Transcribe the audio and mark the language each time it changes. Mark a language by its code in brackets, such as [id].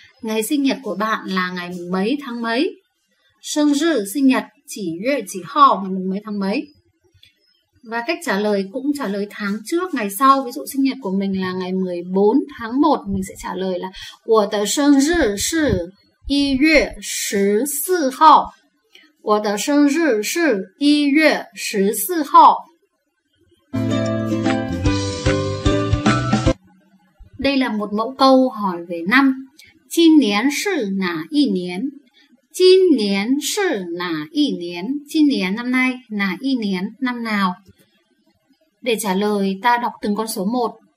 [vi] Ngày sinh nhật của bạn là ngày mấy tháng mấy? 生日 sinh nhật [zh] 几月几号 [vi] ngày mấy tháng mấy? Và cách trả lời cũng trả lời tháng trước, ngày sau. Ví dụ sinh nhật của mình là ngày 14 tháng 1, mình sẽ trả lời là [zh] 我的生日是一月十四号。我的生日是一月十四号。 [vi] Đây là một mẫu câu hỏi về năm. [zh] 今年是哪一年?今年是哪一年? [vi] 今年năm nay, [zh] 哪一年, [vi] năm nào? Để trả lời, ta đọc từng con số một.